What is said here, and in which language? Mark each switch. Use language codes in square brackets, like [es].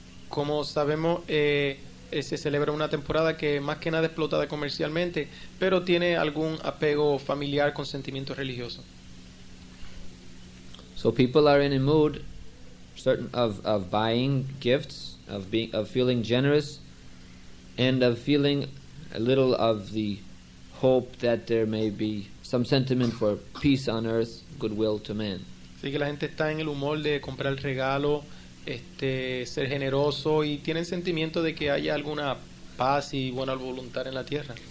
[es] Como sabemos, se celebra una temporada que más que nada explotada comercialmente, pero tiene algún apego familiar con sentimientos religiosos. [en] So people are in a mood, certain of buying gifts, of feeling generous, and of feeling a little of the hope that there may be some sentiment for peace on earth, goodwill to man. [es] Así que la gente está en el humor de comprar el regalo, ser generoso, y tienen sentimiento de que haya alguna paz y buena voluntad en la tierra.